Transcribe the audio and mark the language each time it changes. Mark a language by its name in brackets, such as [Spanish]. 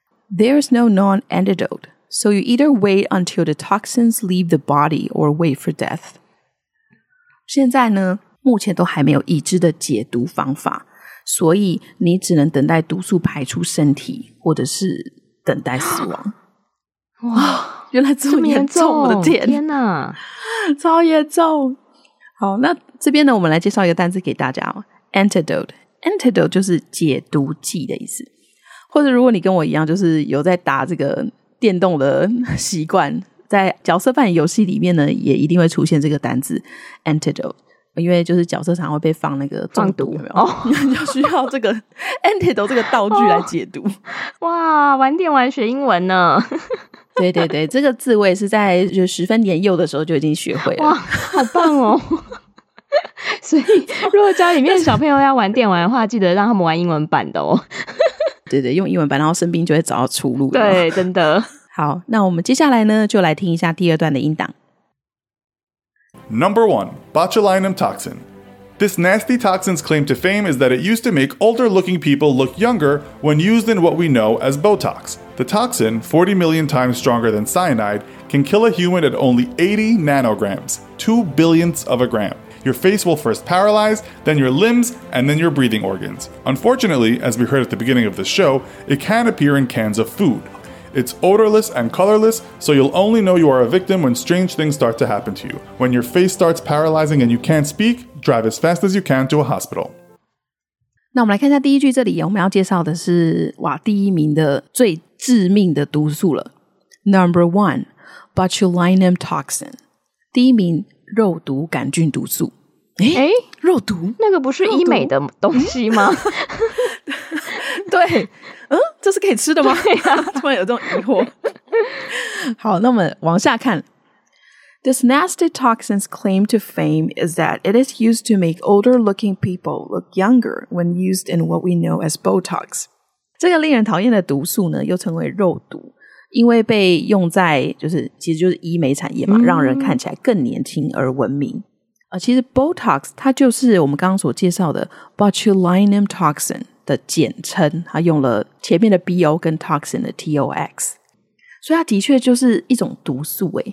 [English] There's no non-antidote, so you either wait until the toxins leave the body or wait for death. [Chinese] 现在呢，目前都还没有已知的解毒方法，所以你只能等待毒素排出身体，或者是等待死亡。哇，原来这么严重，我的天，天哪，超严重。好，那这边呢，我们来介绍一个单字给大家哦。 Antidote 就是解毒剂的意思。或者如果你跟我一样就是有在打这个电动的习惯，在角色扮演游戏里面呢也一定会出现这个单字 antidote， 因为就是角色常会被放那个中毒，放毒有没有、哦、就需要这个 antidote 这个道具来解毒、哦、哇，晚点玩学英文呢。对对对，这个字我也是在就十分年幼的时候就已经学会了。哇，好棒哦。所以如果家里面小朋友要玩电玩的话，记得让他们玩英文版的哦。对对，用英文版，然后生病就会找到出路。对，真的。好，那我们接下来呢，就来听一下第二段的音档。 [English] Number one, botulinum toxin. This nasty toxin's claim to fame is that it used to make older-looking people look younger when used in what we know as Botox. The toxin, 40 million times stronger than cyanide, can kill a human at only 80 nanograms, 2/1,000,000ths of a gram. Your face will first paralyze, then your limbs, and then your breathing organs. Unfortunately, as we heard at the beginning of the show, it can appear in cans of food. It's odorless and colorless, so you'll only know you are a victim when strange things start to happen to you. When your face starts paralyzing and you can't speak, drive as fast as you can to a hospital. [Chinese] 那我们来看一下第一句这里，我们要介绍的是，哇，第一名的最致命的毒素了。 [English] Number one, botulinum toxin. [Chinese] 第一名肉毒杆菌毒素。诶、欸、肉毒，那个不是医美的东西吗？对，嗯，这是可以吃的吗？对啊，突然有这种疑惑。好，那么往下看。 [English] This nasty toxin's claim to fame is that it is used to make older looking people look younger when used in what we know as Botox. [Chinese] 这个令人讨厌的毒素呢又称为肉毒，因为被用在就是其实就是医美产业嘛、嗯、让人看起来更年轻而文明。其实 Botox 它就是我们刚刚所介绍的 botulinum toxin 的简称，它用了前面的 BO 跟 toxin 的 TOX， 所以它的确就是一种毒素、欸